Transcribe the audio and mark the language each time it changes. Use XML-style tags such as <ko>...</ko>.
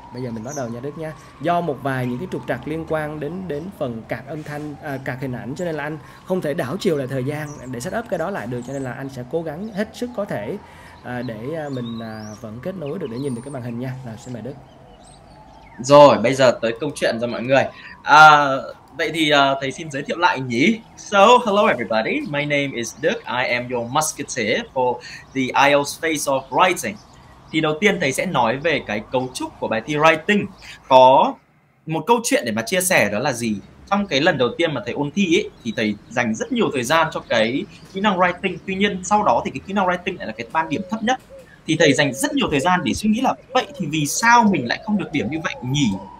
<vi>Bây giờ mình bắt đầu nha Đức nha. Do một vài những cái trục trặc liên quan đến đến phần cạc âm thanh, cạc hình ảnh, cho nên là anh không thể đảo chiều lại thời gian để setup cái đó lại được, cho nên là anh sẽ cố gắng hết sức có thể để mình vẫn kết nối được để nhìn được cái màn hình nha. Rồi xin mời Đức. Rồi bây giờ tới câu chuyện rồi mọi người. Vậy thì thầy xin giới thiệu lại nhỉ.</vi> <en>So hello everybody, my name is Đức. I am your musketeer for the IELTS phase of writing.</en> <vi>Thì đầu tiên thầy sẽ nói về cái cấu trúc của bài thi writing. Có một câu chuyện để mà chia sẻ, đó là gì? Trong cái lần đầu tiên mà thầy ôn thi ấy, thì thầy dành rất nhiều thời gian cho cái kỹ năng writing. Tuy nhiên sau đó thì cái kỹ năng writing lại là cái ban điểm thấp nhất. Thì thầy dành rất nhiều thời gian để suy nghĩ là vậy thì vì sao mình lại không được điểm như vậy nhỉ?</vi>